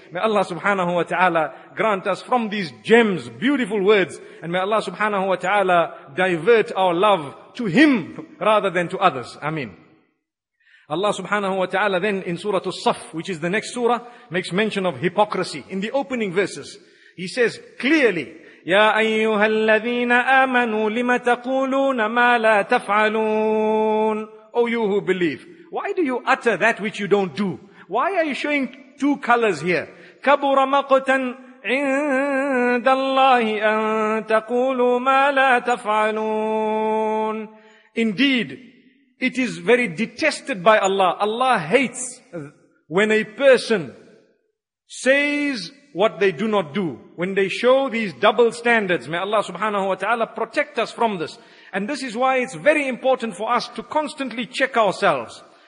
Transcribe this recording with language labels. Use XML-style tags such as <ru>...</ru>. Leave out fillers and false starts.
<en>May Allah subhanahu wa ta'ala grant us from these gems, beautiful words. And may Allah subhanahu wa ta'ala divert our love to Him rather than to others. Ameen. Allah subhanahu wa ta'ala then in Surah As-Saff, which is the next surah, makes mention of hypocrisy. In the opening verses, He says clearly,</en> <ar>يا أيها الذين آمنوا لما تقولون ما لا تفعلون.</ar> <en>O you who believe, why do you utter that which you don't do? Why are you showing two colors here?</en> <ar>كبر مقتا عند الله أن تقولوا ما لا تفعلون.</ar> <en>Indeed, it is very detested by Allah. Allah hates when a person says what they do not do, when they show these double standards. May Allah subhanahu wa ta'ala protect us from this. And this is why it's very important for us to constantly check ourselves.</en>